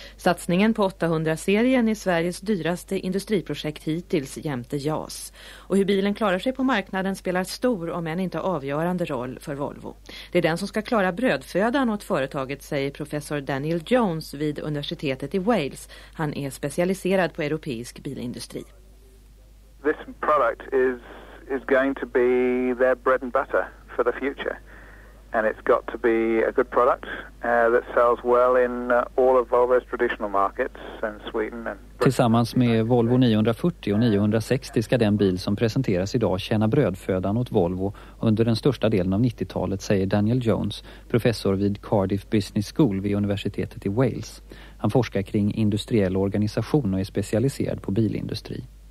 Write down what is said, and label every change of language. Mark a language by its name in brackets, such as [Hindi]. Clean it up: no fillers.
[Swedish] Satsningen på 800-serien är Sveriges dyraste industriprojekt hittills jämte JAS. Och hur bilen klarar sig på marknaden spelar stor, om än inte avgörande, roll för Volvo. Det är den som ska klara brödfödan åt företaget, säger professor Daniel Jones vid universitetet i Wales. Han är specialiserad på europeisk bilindustri. [English] This product is going to be their bread and butter for the future. And it's got to be a good product that sells well in all of Volvo's traditional markets in Sweden and Britain. [Swedish] Tillsammans med Volvo 940 och 960 ska den bil som presenteras idag tjäna brödfödan åt Volvo under den största delen av 90-talet, säger Daniel Jones, professor vid Cardiff Business School vid universitetet i Wales. Han forskar kring industriell organisation och är specialiserad på bilindustri.